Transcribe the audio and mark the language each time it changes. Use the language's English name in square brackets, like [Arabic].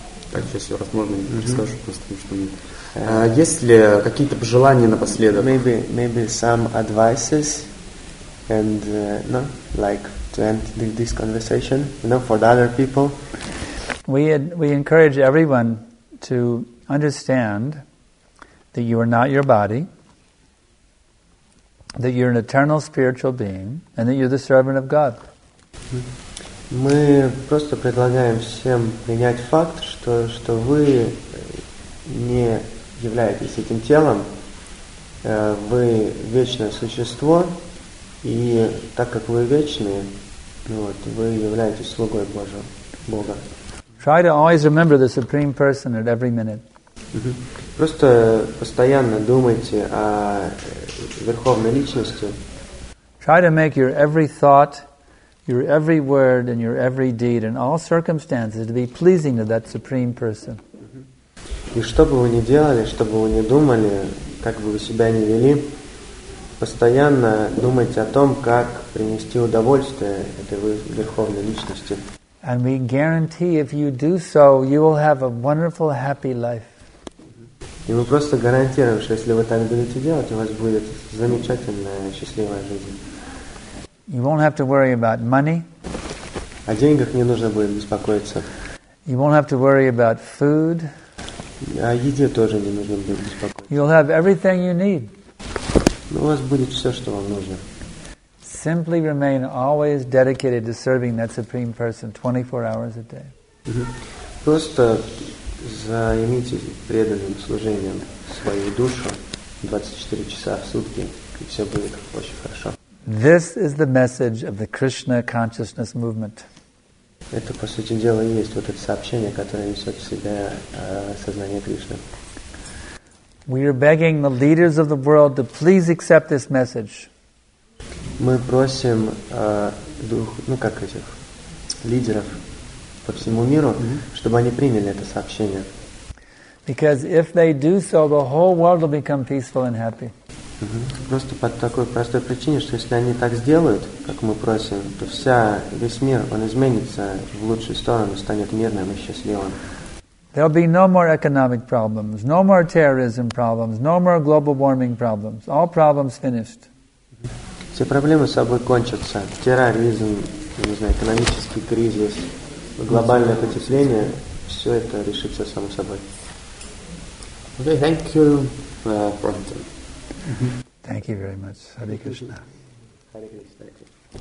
[Russian] Так, сейчас все возможно, я расскажу просто, что мы... есть ли какие-то пожелания напоследок? [English] Maybe some advices and no, like to end this conversation, you know, for the other people. We encourage everyone to understand that you are not your body, that you're an eternal spiritual being, and that you're the servant of God. [Russian] Мы просто предлагаем всем принять факт, что вы не являетесь этим телом, вы вечное существо, и так как вы вечные, вот, вы являетесь слугой Божьим, Бога. [English] Try to always remember the Supreme Person at every minute. [Russian] Просто постоянно думайте о Верховной Личности. [English] Try to make your every thought, your every word, and your every deed in all circumstances to be pleasing to that Supreme Person. [Russian] И что бы вы ни делали, что бы вы ни думали, как бы вы себя ни вели, постоянно думайте о том, как принести удовольствие этой Верховной Личности. [English] And we guarantee, if you do so, you will have a wonderful, happy life. [Russian] И мы просто гарантируем, что если вы так будете делать, у вас будет замечательная, счастливая жизнь. [English] You won't have to worry about money. [Russian] О деньгах не нужно будет беспокоиться. [English] You won't have to worry about food. [Russian] О еде тоже не нужно будет беспокоиться. [English] You'll have everything you need. [Russian] У вас будет все, что вам нужно. [English] Simply remain always dedicated to serving that Supreme Person 24 hours a day. [Russian] Просто займитесь преданным служением свою душу 24 часа в сутки, и все будет очень хорошо. [English] This is the message of the Krishna Consciousness Movement. [Russian] Это, по сути дела, и есть вот это сообщение, которое несет в себя сознание Кришны. [English] We are begging the leaders of the world to please accept this message. [Russian] мы просим дух, ну как этих лидеров по всему миру, чтобы они приняли это сообщение. [English] Because if they do so, the whole world will become peaceful and happy. [Russian] Просто по такой простой причине, что если они так сделают, как мы просим, то вся весь мир он изменится в лучшую сторону, станет мирным и счастливым. [English] There'll be no more economic problems, no more terrorism problems, no more global warming problems. All problems finished. [Russian] Все проблемы с собой кончатся. Терроризм, не знаю, экономический кризис, глобальное потепление, все это решится само собой. [English] Okay, thank you, Prabhupada. Thank you very much. Hare Krishna. Hare Krishna.